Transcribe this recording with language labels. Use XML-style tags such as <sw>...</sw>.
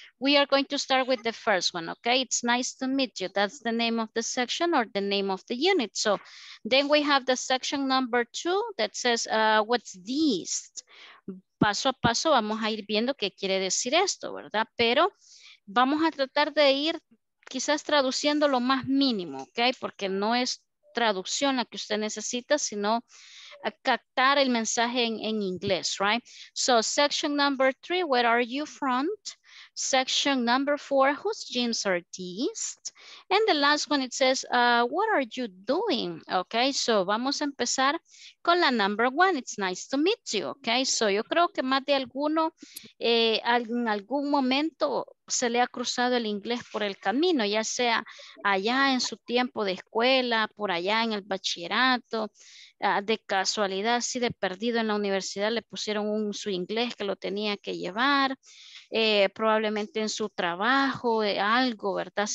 <en>We are going to start with the first one, ¿ok? It's nice to meet you. That's the name of the section or the name of the unit. So, then we have the section number 2 that says, what's this?</en> <es>Paso a paso vamos a ir viendo qué quiere decir esto, ¿verdad? Pero vamos a tratar de ir quizás traduciendo lo más mínimo, ¿ok? Porque no es... traducción la que usted necesita, sino captar el mensaje en inglés, right?</es> <en>So, section number 3, where are you from? Section number 4, whose jeans are these? And the last one, it says, what are you doing? Okay, so</en> <es>vamos a empezar con la</es> <en>number 1, it's nice to meet you, okay?</en> <es>So, yo creo que más de alguno, en algún momento se le ha cruzado el inglés por el camino, ya sea allá en su tiempo de escuela, por allá en el bachillerato, de casualidad, así de perdido en la universidad, le pusieron su inglés que lo tenía que llevar, probablemente en su trabajo, algo, ¿verdad?</es>